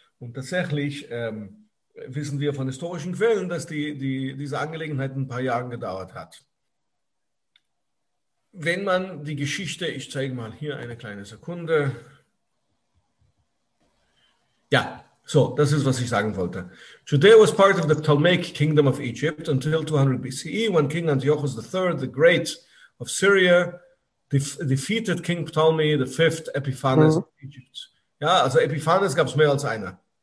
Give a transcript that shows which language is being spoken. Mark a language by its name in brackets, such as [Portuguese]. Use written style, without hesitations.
[German] Und tatsächlich wissen wir von historischen Quellen, dass diese Angelegenheit ein paar Jahre gedauert hat. Wenn man die Geschichte, ich zeige mal hier eine kleine Sekunde. Ja. So, das ist, was ich sagen wollte. [English] Judea was part of the Ptolemaic Kingdom of Egypt until 200 BCE, when King Antiochus III, the Great of Syria, defeated King Ptolemy V, Epiphanes of Egypt. [German] Ja, also Epiphanes gab es mehr als einer.